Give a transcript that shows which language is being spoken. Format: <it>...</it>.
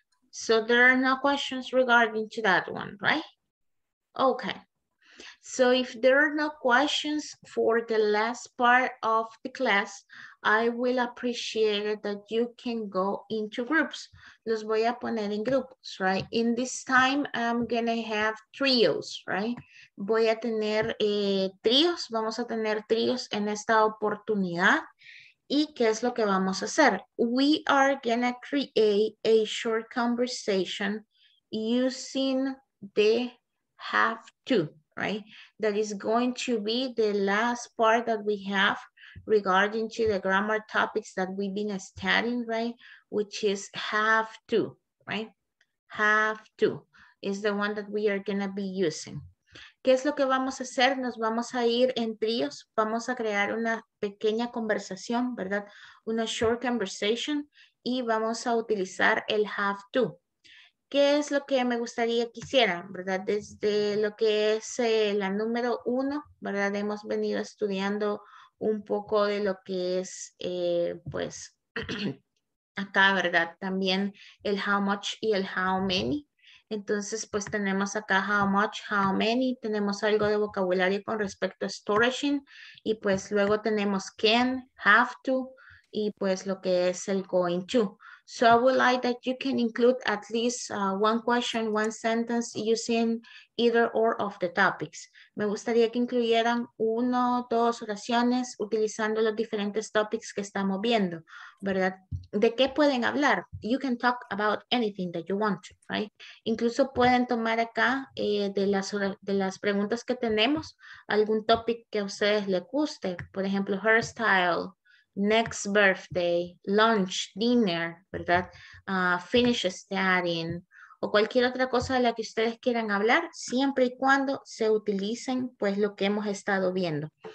<en>So there are no questions regarding to that one, right? Okay. So if there are no questions for the last part of the class, I will appreciate it that you can go into groups.</en> <es>Los voy a poner en grupos,</es> <en>right? In this time, I'm gonna have trios, right?</en> <es>Voy a tener tríos, vamos a tener tríos en esta oportunidad. ¿Y qué es lo que vamos a hacer?</es> <en>We are gonna create a short conversation using the have to, right? That is going to be the last part that we have regarding to the grammar topics that we've been studying, right? Which is have to, right? Have to is the one that we are gonna be using.</en> <es>¿Qué es lo que vamos a hacer? Nos vamos a ir en tríos, vamos a crear una pequeña conversación, ¿verdad? Una</es> <en>short conversation</en> <es>y vamos a utilizar el have to. ¿Qué es lo que me gustaría que hicieran, verdad? Desde lo que es la número uno, ¿verdad? Hemos venido estudiando un poco de lo que es, pues, acá, ¿verdad? También el how much y el how many. Entonces, pues, tenemos acá how much, how many. Tenemos algo de vocabulario con respecto a storaging. Y, pues, luego tenemos can, have to, y, pues, lo que es el going to.</es> <en>So, I would like that you can include at least one question, one sentence using either or of the topics.</en> <es>Me gustaría que incluyeran uno, dos oraciones utilizando los diferentes topics que estamos viendo, ¿verdad? ¿De qué pueden hablar?</es> <en>You can talk about anything that you want, right?</en> <es>Incluso pueden tomar acá de las preguntas que tenemos algún topic que a ustedes les guste. Por ejemplo, hairstyle, next birthday, lunch, dinner, ¿verdad?</es> <en>Finish studying,</en> <es>o cualquier otra cosa de la que ustedes quieran hablar, siempre y cuando se utilicen pues lo que hemos estado viendo.</es>